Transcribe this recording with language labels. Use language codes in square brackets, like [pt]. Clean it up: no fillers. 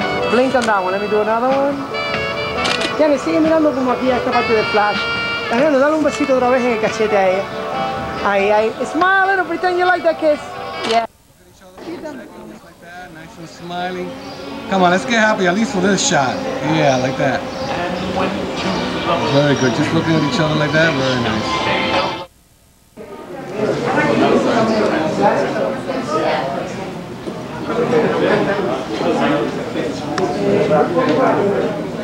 [en] Blink on that one. Let me do another one. [es] Tiene, sigue mirando como aquí a esta parte del flash. Alejandro, dale un besito otra vez en el cachete a ella. Ahí, ahí. [en] Smile a little, pretend you like that kiss. Smiling. Come on, let's get happy, at least for this shot. Yeah, like that. Very good. Just looking at each other like that, very nice.